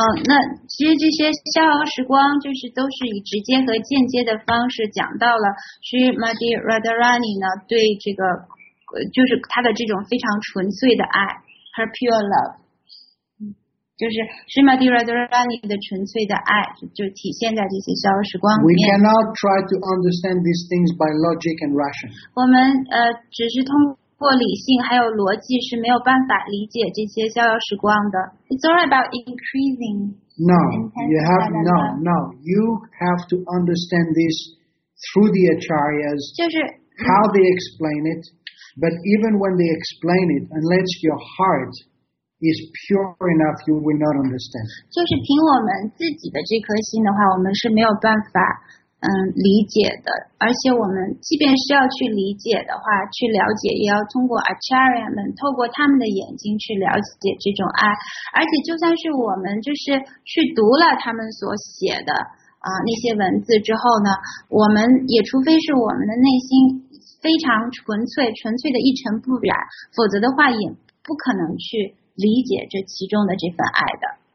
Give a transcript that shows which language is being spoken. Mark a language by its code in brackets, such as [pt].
[zh] 那其实这些逍遥时光就是都是以直接和间接的方式讲到了 Srimati Radharani 呢对这个，就是他的这种非常纯粹的爱 ， [en] her pure love， [zh] 就是 Srimati Radharani 的纯粹的爱就体现在这些逍遥时光里面。 [en] We cannot try to understand these things by logic and rational. [zh] 我们只是通。过理性还有逻辑是没有办法理解这些逍遥时光的。 [en] It's all about increasing. No, you have no, no. You have to understand this through the acharyas. [zh] 就是 [en] how they explain it. But even when they explain it, unless your heart is pure enough, you will not understand. [zh] 就是凭我们自己的这颗心的话，我们是没有办法。理解的，而且我们即便是要去理解的话，去了解，也要通过 Acharya 们，透过他们的眼睛去了解这种爱。而且就算是我们就是去读了他们所写的那些文字之后呢，我们也除非是我们的内心非常纯粹，纯粹的一尘不染，否则的话也不可能去理解这其中的这份爱的。